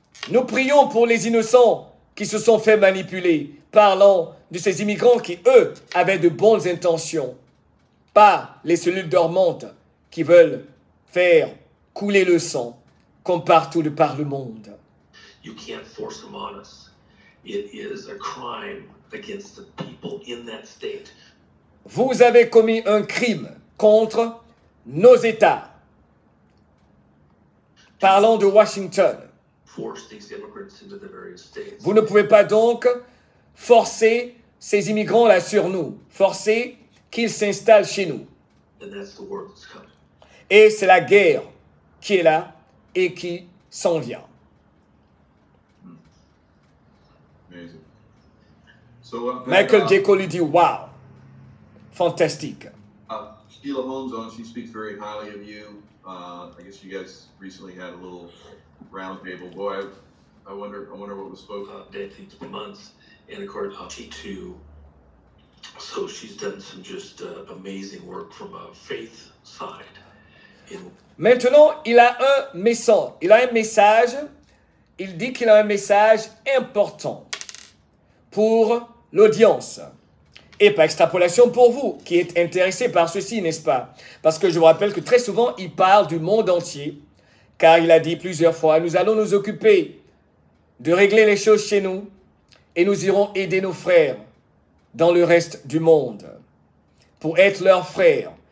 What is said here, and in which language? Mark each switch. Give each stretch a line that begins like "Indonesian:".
French: Nous prions pour les innocents qui se sont fait manipuler, parlant de ces immigrants qui, eux, avaient de bonnes intentions. Pas les cellules dormantes qui veulent faire couler le sang comme partout de par le monde.
English: You can't force them on us. It is a crime against the people in that state.
French: Vous avez commis un crime contre nos États. Parlons de Washington.
English: Force these immigrants into the various states.
French: Vous ne pouvez pas donc forcer ces immigrants là sur nous, forcer qu'ils s'installent chez nous.
English: And that's the word that's coming.
French: Et c'est la guerre qui est là et qui s'en vient.
English: So,
French: Michael Dieko lui dit, wow, fantastique.
English: Sheila Holmes, she speaks very highly of you. I guess you guys recently had a little round table. Boy, I wonder what was spoken. Dead things for months, and of course, she too. So she's done some just amazing work from a faith side.
French: Maintenant, il a un message. Il a un message. Il dit qu'il a un message important pour l'audience. Et par extrapolation pour vous qui êtes intéressés par ceci, n'est-ce pas? Parce que je vous rappelle que très souvent, il parle du monde entier, car il a dit plusieurs fois, nous allons nous occuper de régler les choses chez nous et nous irons aider nos frères dans le reste du monde pour être leurs frères.